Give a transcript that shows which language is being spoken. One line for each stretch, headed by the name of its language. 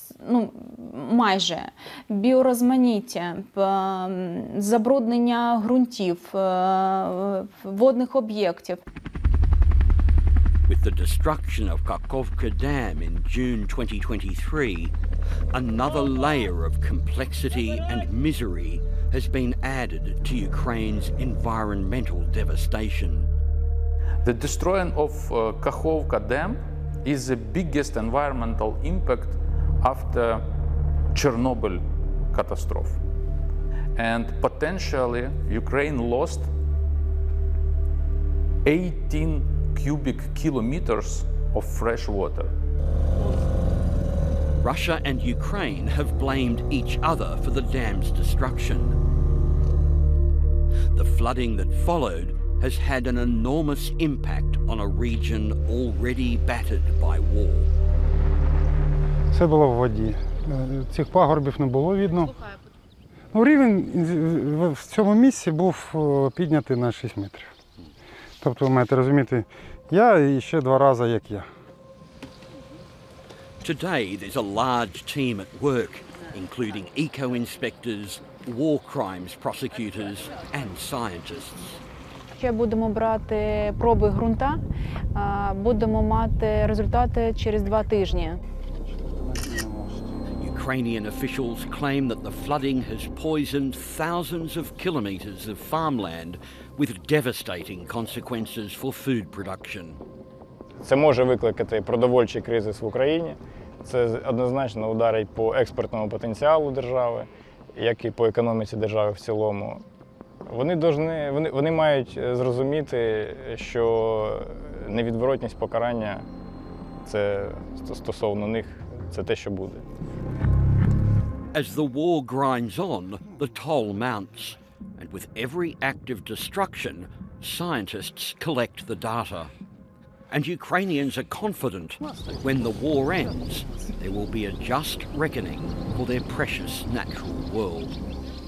Ukrainian: Ну, майже біорозманіття, забруднення ґрунтів, водних об'єктів.
English: With the destruction of Kakhovka Dam in June 2023, another layer of complexity and misery has been added to Ukraine's environmental devastation. The destruction of Kakhovka Dam is the biggest environmental impact after Chernobyl catastrophe. And potentially, Ukraine lost 18 cubic kilometers of fresh water. Russia and Ukraine have blamed each other for the dam's destruction. The flooding that followed has had an enormous impact on a region already battered by war.
Ukrainian: Все було в воді. Цих пагорбів не було видно. Ну, рівень в цьому місці був піднятий на 6 метрів. Тобто, ви маєте розуміти, я і ще два рази, як я.
English: Today there's a large team at work, including eco-inspectors, war crimes prosecutors and scientists.
Ukrainian: Ще будемо брати проби ґрунта, будемо мати результати через 2 тижні.
English: Ukrainian officials claim that the flooding has poisoned thousands of kilometers of farmland with devastating consequences for food production.
Ukrainian: Це може викликати продовольчий кризис в Україні. Це однозначно ударить по експортному потенціалу держави, як і по економіці держави в цілому. Вони мають зрозуміти, що невідворотність покарання це стосовно них. Це те, що буде.
English: As the war grinds on, the toll mounts, and with every act of destruction, scientists collect the data. And Ukrainians are confident when the war ends, there will be a just reckoning for their precious natural world.